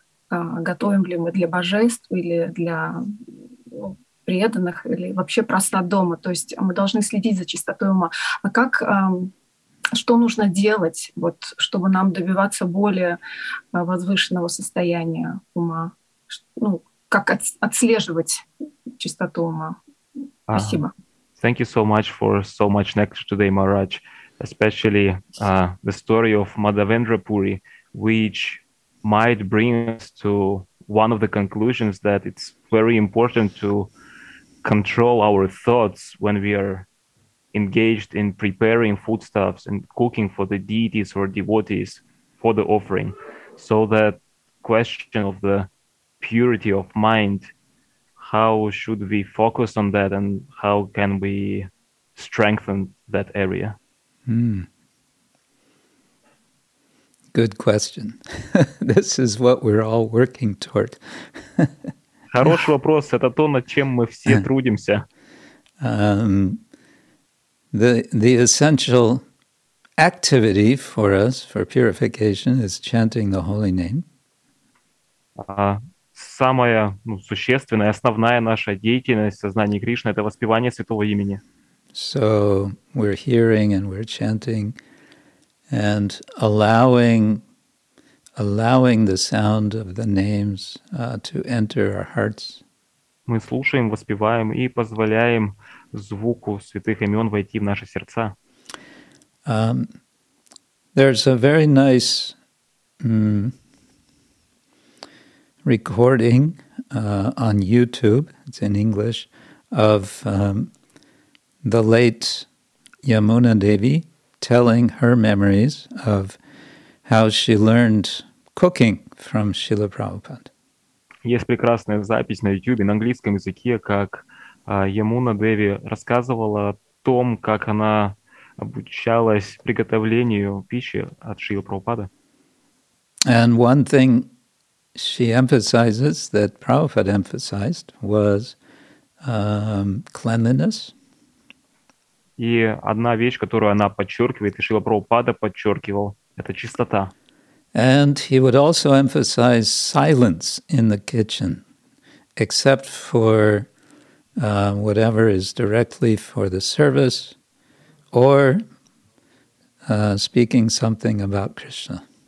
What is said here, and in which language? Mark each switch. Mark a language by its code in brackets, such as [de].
[ru] Готовим ли мы для божеств или для преданных, или вообще просад дома. То есть мы должны следить за чистотой ума. А как, что нужно делать, вот, чтобы нам добиваться более возвышенного состояния ума? Ну, как отслеживать чистоту ума? Спасибо. [en] Thank you so much for so much nectar today, Maharaj. Especially the story of Madhavendra Puri, which might bring us to one of the conclusions that it's very important to control our thoughts when we are engaged in preparing foodstuffs and cooking for the deities or devotees for the offering. So that question of the purity of mind, how should we focus on that and how can we strengthen that area? Good question. This is what we're all working toward. [ru] Хороший вопрос. Это то, над чем мы все трудимся. [en] The essential activity for us for purification is chanting the holy name. [ru] Самая существенная, основная наша деятельность в сознании Кришны — это воспевание святого имени. [en] So we're hearing and we're chanting and allowing the sound of the names to enter our hearts. [ru] Мы слушаем, воспеваем и позволяем звуку святых имен войти в наши сердца. [en] There's a very nice recording on YouTube, it's in English, of the late Yamuna Devi telling her memories of how she learned cooking from Srila Prabhupada. [ru] Есть прекрасная запись на YouTube на английском языке, как Ямуна Деви рассказывала о том, как она обучалась приготовлению пищи от Шрилы Прабхупады. [en] And one thing she emphasizes that Prabhupada emphasized was cleanliness. [ru] И одна вещь, которую она подчеркивает, и Шрила Прабхупада подчеркивал, это чистота. [en] And he would also emphasize silence in the kitchen, except for whatever is directly for the service or speaking something about Krishna.